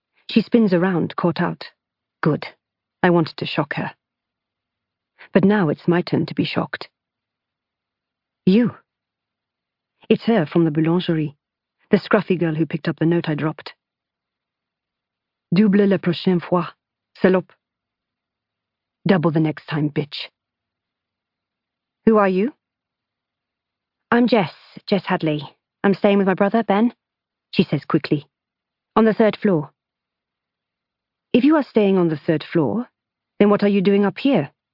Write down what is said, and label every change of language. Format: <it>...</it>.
<en>She spins around, caught out. Good. I wanted to shock her. But now it's my turn to be shocked. You. It's her from the boulangerie. The scruffy girl who picked up the note I dropped.</en> <fr>Double la prochaine fois, salope.</fr> <en>Double the next time, bitch. Who are you? I'm Jess Hadley. I'm staying with my brother, Ben, she says quickly. On the third floor. If you are staying on the third floor, then what are you doing up here?</en>